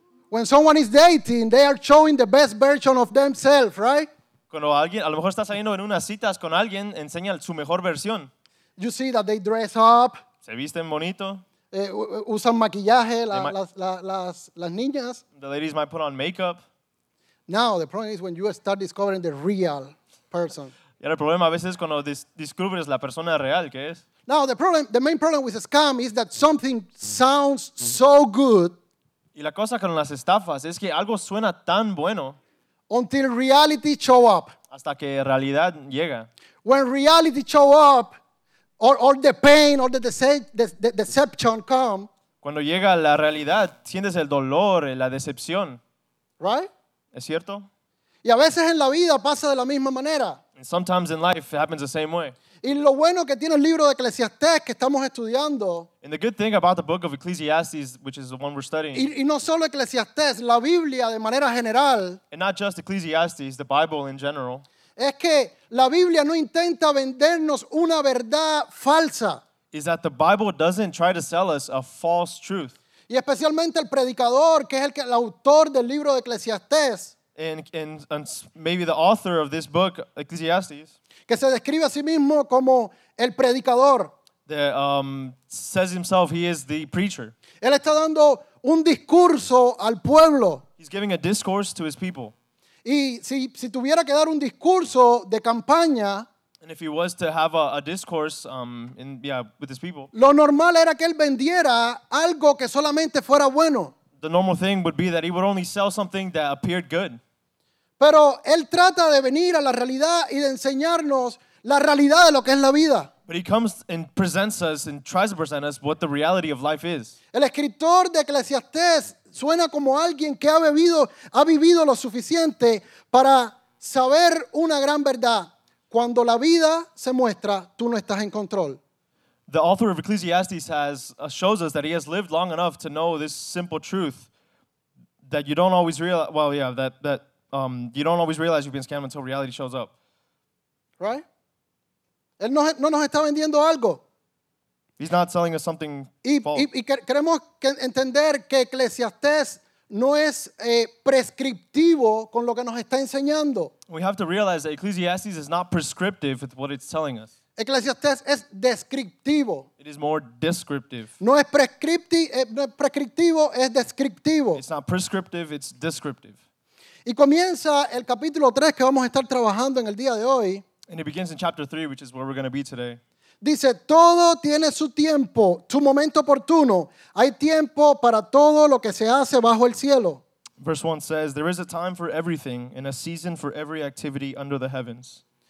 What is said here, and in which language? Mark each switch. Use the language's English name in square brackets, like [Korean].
[English] When someone is dating, they are showing the best version of themselves, right? [Spanish] Cuando alguien, a lo mejor está saliendo en unas citas con alguien, enseña su mejor versión. [English] You see that they dress up. [Spanish] Se visten bonito. Usan maquillaje, las niñas. [English] The ladies might put on makeup. Now, the problem is when you start discovering the real person. [Spanish] Y el problema a veces es cuando descubres la persona real que es. [English] Now, the main problem with a scam is that something sounds so good. [Spanish] Y la cosa con las estafas es que algo suena tan bueno. [English] Until reality show up. [Spanish] Hasta que realidad llega. [English] When reality show up, or the pain, or the deception come. [Spanish] Cuando llega la realidad, sientes el dolor, la decepción. [English] Right? [Spanish] ¿Es cierto? Y a veces en la vida pasa de la misma manera. [English] And sometimes in life it happens the same way. [Spanish] Y lo bueno que tiene el libro de Eclesiastés que estamos estudiando. [English] And the good thing about the book of Ecclesiastes, which is the one we're studying. [Spanish] Y no solo Eclesiastés, la Biblia de manera general. [English] And not just Ecclesiastes, the Bible in general. [Spanish] Es que la Biblia no intenta vendernos una verdad falsa. [English] Is that the Bible doesn't try to sell us a false truth. [Spanish] Y especialmente el predicador, que es el autor del libro de Eclesiastés. [English] And maybe the author of this book, Ecclesiastes. [Spanish] Que se describe a sí mismo como el predicador. [English] That says himself he is the preacher. [Spanish] Él está dando un discurso al pueblo. [English] He's giving a discourse to his people. [Spanish] Y si tuviera que dar un discurso de campaña. [English] And if he was to have a discourse with his people. [Spanish] Lo normal era que él vendiera algo que solamente fuera bueno. [English] The normal thing would be that he would only sell something that appeared good. [Spanish] Pero él trata de venir a la realidad y de enseñarnos la realidad de lo que es la vida. [English] But he comes and presents us and tries to present us what the reality of life is. [Spanish] El escritor de Eclesiastés suena como alguien que ha vivido lo suficiente para saber una gran verdad. Cuando la vida se muestra, tú no estás en control. [English] The author of Ecclesiastes shows us that he has lived long enough to know this simple truth that you don't always realize. Well, yeah, that you don't always realize you've been scammed until reality shows up. Right? [Spanish] Él no nos está vendiendo algo. [English] He's not selling us something false. [Spanish] Y queremos entender que Eclesiastés no es prescriptivo con lo que nos está enseñando. [English] We have to realize that Ecclesiastes is not prescriptive with what it's telling us. [Spanish] Eclesiastés es descriptivo. [English] It is more descriptive. [Spanish] No es prescriptivo, es descriptivo. [English] It's not prescriptive, it's descriptive. [Spanish] Y comienza el capítulo 3 que vamos a estar trabajando en el día de hoy. [English] And it begins in chapter 3, which is where we're going to be today. [Spanish] Dice, todo tiene su tiempo, su momento oportuno. Hay tiempo para todo lo que se hace bajo el cielo. [English] Verse 1 says, there is a time for everything and a season for every activity under the heavens.